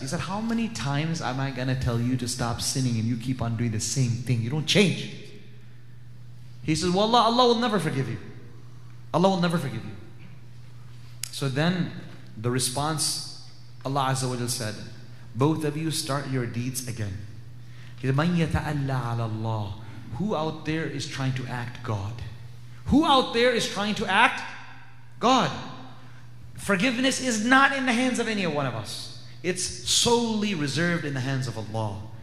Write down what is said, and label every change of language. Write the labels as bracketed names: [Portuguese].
[English] He said, how many times am I going to tell you to stop sinning and you keep on doing the same thing? You don't change. He says, well, Allah will never forgive you. Allah will never forgive you. So then the response, Allah Azza wa Jalla said, both of you start your deeds again. He said, [Arabic] مَنْ يَتَعَلَّى عَلَى اللَّهِ. [English] Who out there is trying to act God? Who out there is trying to act God? Forgiveness is not in the hands of any one of us. It's solely reserved in the hands of Allah.